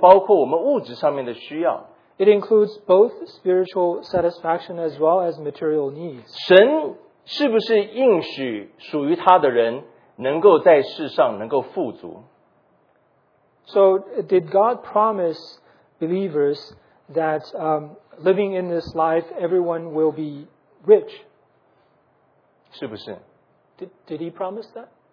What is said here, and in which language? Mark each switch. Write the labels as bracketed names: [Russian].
[Chinese] 是包括精神上面的满足，但是也包括我们物质上面的需要。 [English] It includes both spiritual satisfaction as well as material needs. [Chinese] 神是不是应许属于他的人能够在世上能够富足？ [English] So did God promise believers that living in this life, everyone will be rich? [Chinese] 是不是？ [English] Did he promise that?